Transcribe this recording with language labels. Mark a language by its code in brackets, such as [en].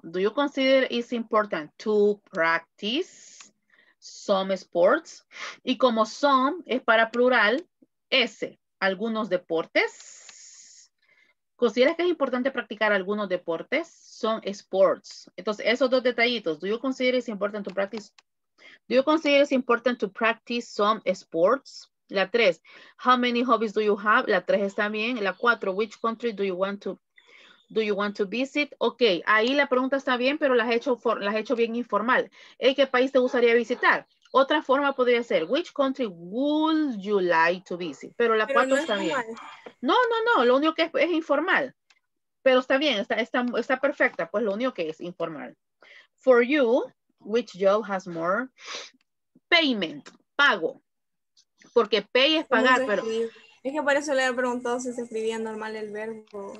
[en] Do you consider it important to practice some sports? [es] Y como some es para plural, algunos deportes. ¿Consideras que es importante practicar algunos deportes? [en] Some sports. [es] Entonces, esos dos detallitos. [en] Do you consider it important to practice? Do you consider it important to practice some sports? [es] La tres. [en] How many hobbies do you have? [es] La tres está bien. La cuatro. [en] Which country do you want to visit? [es] Ok, ahí la pregunta está bien, pero las he hecho bien informal. ¿Qué país te gustaría visitar? Otra forma podría ser, [en] which country would you like to visit? [es] Pero la cuatro está bien. No, lo único que es informal. Pero está bien, está perfecta, pues lo único que es informal. [en] For you, which job has more payment, pago. [es] Porque pay es pagar, pero... Es que por eso le he preguntado si se escribía normal el verbo.